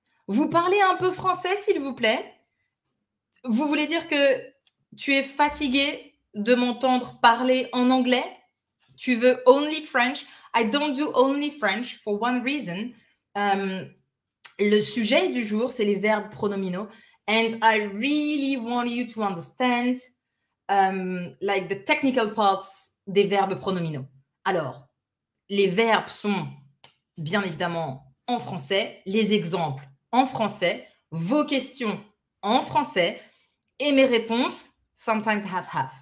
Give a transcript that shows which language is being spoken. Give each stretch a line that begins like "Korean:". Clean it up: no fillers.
French: Vous parlez un peu français, s'il vous plaît. Vous voulez dire que tu es fatigué de m'entendre parler en anglais? Tu veux
English: only French? I don't do only French for one reason.
French: Le sujet du jour, c'est les verbes pronominaux.
English: And I really want you to understand like the technical parts
French: des verbes pronominaux. Alors, les verbes sont bien évidemment en français, les exemples en français, vos questions en français et mes réponses,
English: sometimes half-half.